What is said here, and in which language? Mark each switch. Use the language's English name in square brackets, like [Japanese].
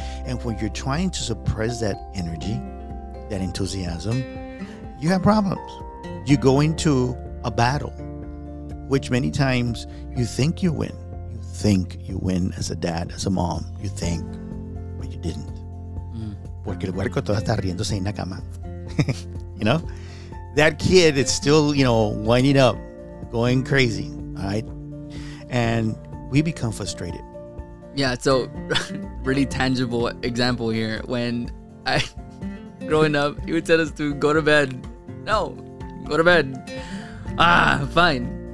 [English] And when you're trying to suppress that energy, that enthusiasm, you have problems. You go into a battle, which many times you think you win. You think you win as a dad, as a mom. You think, but you didn't. [Spanish] Porque el huerco todavía está riéndose en la cama. [English] You know? That kid is still, you know, winding up, going crazy, all right? And we become frustrated. Yeah, so really tangible example here. When I... growing up, he would tell us to go to bed. No, go to bed. Ah, fine.